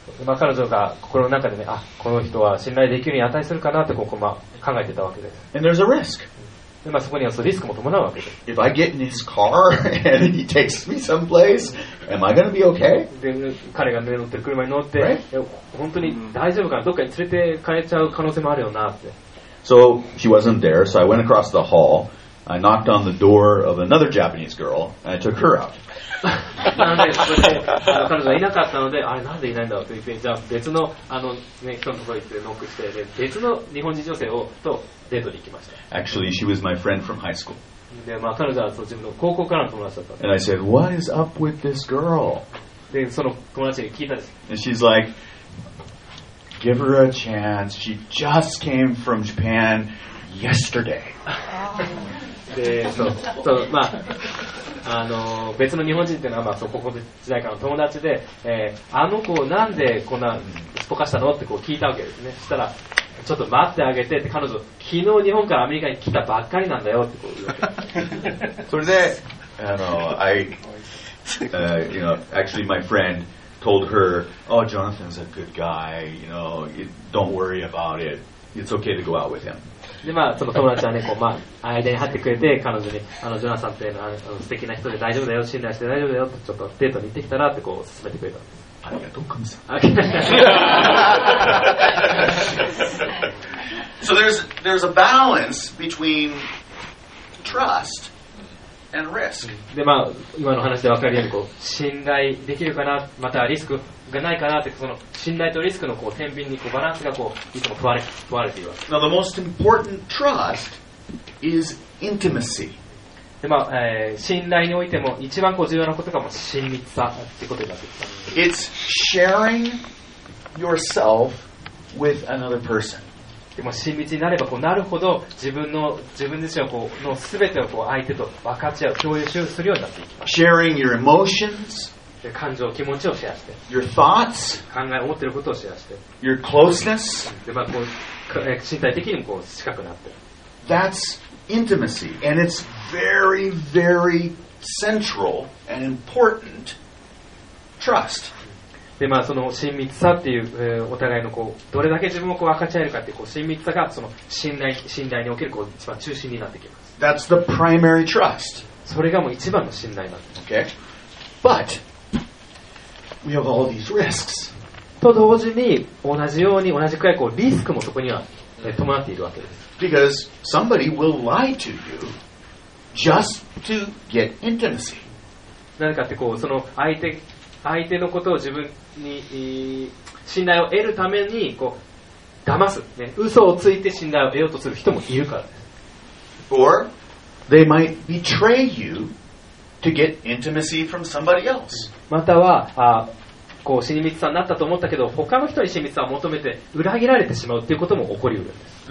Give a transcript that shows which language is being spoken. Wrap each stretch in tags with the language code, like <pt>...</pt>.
<ja>まあ、彼女が心の中でね、あ、この人は信頼できるに値するかなってここ、まあ、考えてたわけです。</ja> <en>And there's a risk.</en> <ja>まあ、そこにはそのリスクも伴うわけです。</ja> <en>If I get in his car and he takes me someplace, am I going to be okay?</en> <ja>で、彼が乗ってる車に乗って、</ja> <en>right?</en> <ja>本当に大丈夫かな、どっかに連れて帰っちゃう可能性もあるよなって。</ja> <en>So she wasn't there, so I went across the hall. I knocked on the door of another Japanese girl and I took her out.</en> <ja>なんで、そして彼女がいなかったので、あれなんでいないんだろうって言って、じゃあ別の、ね、人のところ行ってノックして、で別の日本人女性をと、</ja> <en>Actually, she was my friend from high school.</en> <ja>で、まあ、彼女はその自分の高校からの友達だった。</ja> <en>And I said, "What is up with this girl?"</en> <ja>で、その友達に聞いたんです。</ja> <en>And she's like, "Give her a chance. She just came from Japan yesterday."</en> <ja>で、そう、まあ、別の日本人っていうのは、まあ、そう、高校時代からの友達で、あの子をなんでこんなすっぽかしたのってこう聞いたわけですね。したら。ちょっと待ってあげてって彼女昨日日本からアメリカに来たばっかりなんだよってこう言われて、それで</ja> <en>I you know, actually my friend told her, oh, Jonathan's a good guy, you know, don't worry about it, it's okay to go out with him.</en> <ja>で、まあ、その友達はね、こう、まあ、間に張ってくれて彼女にジョナサンってあの素敵な人で大丈夫だよ、信頼して大丈夫だよってちょっとデートに行ってきたらってこう勧めてくれた。ありがとう、神さん。</ja> <en>So there's a balance between trust and risk.</en> <ja>で、まあ、今の話で分かるようにこう信頼できるかな、またはリスクがないかなって、その信頼とリスクのこう天秤にこうバランスがこういつも問われています。</ja> <en>Now the most important trust is intimacy.</en> <ja>でまあ信頼においても一番こう重要なことが親密さということになってきます。</ja> <en>It's sharing yourself with another person.</en> <ja>でも親密になればこうなるほど自分自身をこうの全てをこう相手と分かち合う、共有するようになっていきます。</ja> <en>Sharing your emotions.</en> <ja>で感情、気持ちをシェアして、</ja> <en>Your thoughts.</en> <ja>考え、思っていることをシェアして、</ja> <en>Your closeness.</en> <ja>でまあこう身体的にもこう近くなって、</ja> <en>That's intimacy. And it'sVery, very central and important trust.</en> <ja>で、まあ、その親密さっていう、お互いのこうどれだけ自分をこう分かち合えるかっていうこう親密さがその信頼におけるこう一番中心になってきます。</ja> <en>That's the primary trust.</en> <ja>それがもう一番の信頼なんです。</ja> <en>Okay. But we have all these risks.</en> <ja>と同時に同じように同じくらいこうリスクもそこには、伴っているわけです。</ja> <en>Because somebody will lie to you. Just to get intimacy.</en> <ja>何かってこうその相手のことを自分に信頼を得るためにこう騙す、ね、嘘をついて信頼を得ようとする人もいるからです。</ja> <en>Or they might betray you to get intimacy from somebody else.</en> <ja>またはあこう親密さになったと思ったけど他の人に親密さを求めて裏切られてしまうということも起こりうるんです。</ja>